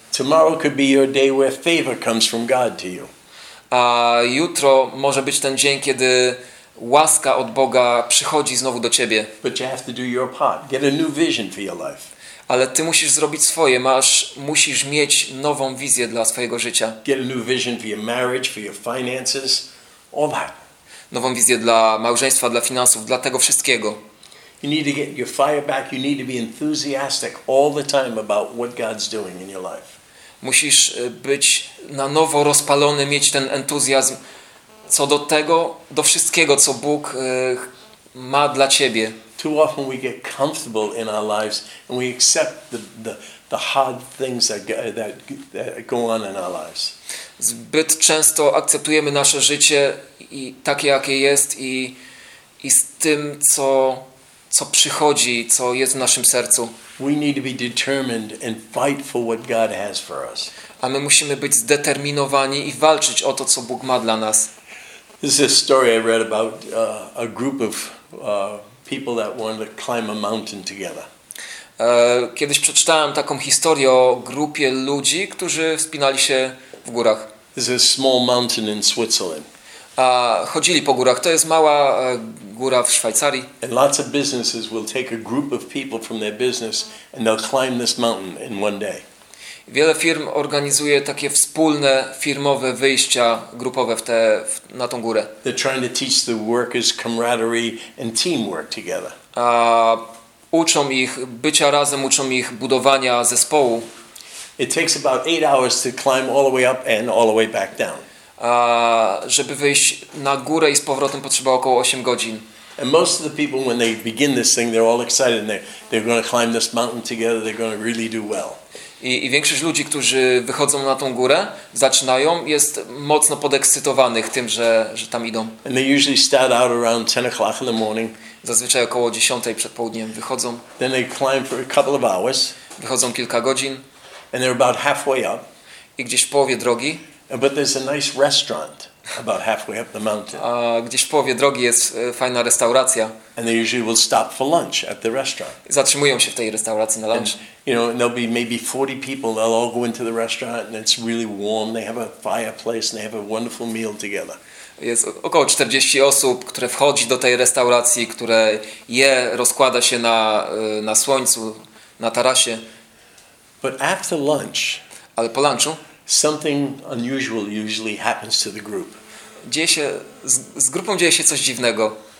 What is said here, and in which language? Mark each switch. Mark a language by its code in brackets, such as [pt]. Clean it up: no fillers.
[en] Tomorrow could be your day where favor comes from God to you. [pl] A jutro może być ten dzień, kiedy łaska od Boga przychodzi znowu do ciebie. [en] But you have to do your part. Get a new vision for your life. [pl] Ale ty musisz zrobić swoje, musisz mieć nową wizję dla swojego życia. [en] Get a new vision for your marriage, for your finances, all that. [pl] Nową wizję dla małżeństwa, dla finansów, dla tego wszystkiego. [en] You need to get your fire back. You need to be enthusiastic all the time about what God's doing in your life. [pl] Musisz być na nowo rozpalony, mieć ten entuzjazm co do tego, do wszystkiego, co Bóg ma dla ciebie. [en] Too often we get comfortable in our lives and we accept the hard things that go on in our lives. [pl] Zbyt często akceptujemy nasze życie i takie, jakie jest, i z tym, co przychodzi, co jest w naszym sercu. [en] We need to be determined and fight for what God has for us. [pl] A my musimy być zdeterminowani i walczyć o to, co Bóg ma dla nas. [en] This is a story I read about a group of people that wanted to climb a mountain together. [pl] Kiedyś przeczytałem taką historię o grupie ludzi, którzy wspinali się w górach. [en] This is a small mountain in Switzerland. [pl] A chodzili po górach. To jest mała góra w Szwajcarii. [en] And lots of businesses will take a group of people from their business and they'll climb this mountain in one day. [pl] Wiele firm organizuje takie wspólne firmowe wyjścia grupowe na tą górę. [en] They're trying to teach the workers camaraderie and teamwork together. [pl] A uczą ich bycia razem, uczą ich budowania zespołu. [en] It takes about 8 hours to climb all the way up and all the way back down. [pl] A żeby wyjść na górę i z powrotem potrzeba około 8 godzin. [en] And most of the people when they begin this thing they're all excited and they're going to climb this mountain together, they're going to really do well. [pl] I większość ludzi, którzy wychodzą na tą górę, zaczynają, jest mocno podekscytowanych tym, że tam idą. [en] And they usually start out around 10 o'clock in the morning. [pl] Zazwyczaj około 10 przed południem wychodzą. [en] Then they climb for a couple of hours. [pl] Wychodzą kilka godzin. [en] And they're about halfway up. [pl] I gdzieś w połowie drogi. [en] But there's a nice restaurant about halfway up the mountain. [pl] A gdzieś w połowie drogi jest fajna restauracja. [en] And they usually will stop for lunch at the restaurant. [pl] Zatrzymują się w tej restauracji na lunch. [en] And, you know, there'll be maybe 40 people. They'll all go into the restaurant, and it's really warm. They have a fireplace, and they have a wonderful meal together. [pl] Jest około 40 osób, które wchodzi do tej restauracji, które je, rozkłada się na słońcu, na tarasie. [en] But after lunch. [pl] Ale po lunchu. [en] Something unusual usually happens to the group. [pl] Dzieje się z grupą dzieje się coś dziwnego.